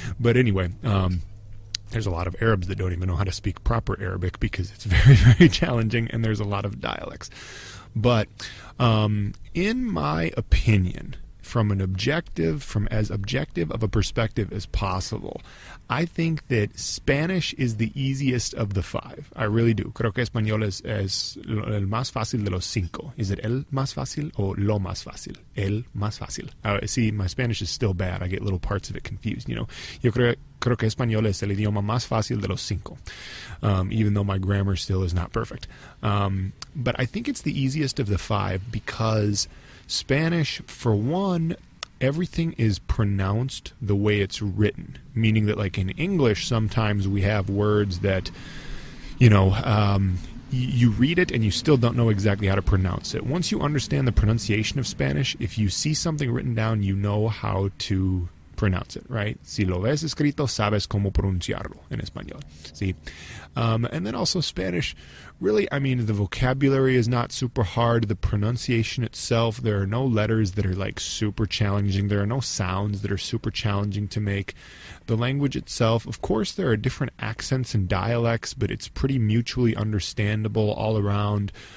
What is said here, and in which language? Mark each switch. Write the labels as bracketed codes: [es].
[en] But anyway, there's a lot of Arabs that don't even know how to speak proper Arabic because it's very, very challenging and there's a lot of dialects. But in my opinion, from as objective of a perspective as possible, I think that Spanish is the easiest of the five. I really do. [es] Creo que español es el más fácil de los cinco. [en] Is it [es] el más fácil o lo más fácil? El más fácil. [en] See, my Spanish is still bad. I get little parts of it confused, you know. [es] Yo creo que español es el idioma más fácil de los cinco, [en] even though my grammar still is not perfect. But I think it's the easiest of the five because Spanish, for one, everything is pronounced the way it's written, meaning that, like, in English, sometimes we have words that, you know, you read it and you still don't know exactly how to pronounce it. Once you understand the pronunciation of Spanish, if you see something written down, you know how to pronounce it, right? [es] Si lo ves escrito, sabes cómo pronunciarlo en español. [en] See? And then also Spanish, really, I mean, the vocabulary is not super hard. The pronunciation itself, there are no letters that are, like, super challenging. There are no sounds that are super challenging to make. The language itself, of course, there are different accents and dialects, but it's pretty mutually understandable all around.